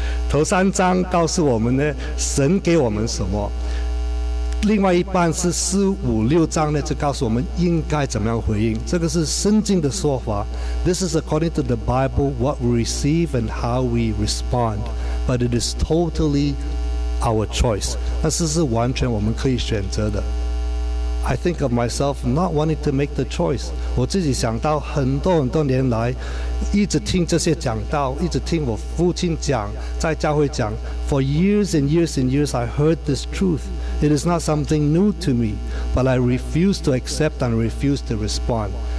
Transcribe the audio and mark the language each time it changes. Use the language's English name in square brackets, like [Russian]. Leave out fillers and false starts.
[Chinese] 头三章告诉我们呢，神给我们什么。另外一半是四五六章呢，就告诉我们应该怎么样回应。这个是圣经的说法。 [English] This is according to the Bible, what we receive and how we respond. But it is totally our choice. [Chinese] 但是是完全我们可以选择的。 [English] I think of myself not wanting to make the choice. [Chinese] 我自己想到很多很多年来一直听这些讲道，一直听我父亲讲，在教会讲。 [English] For years and years and years, I heard this truth. It is not something new to me, but I refuse to accept and refuse to respond.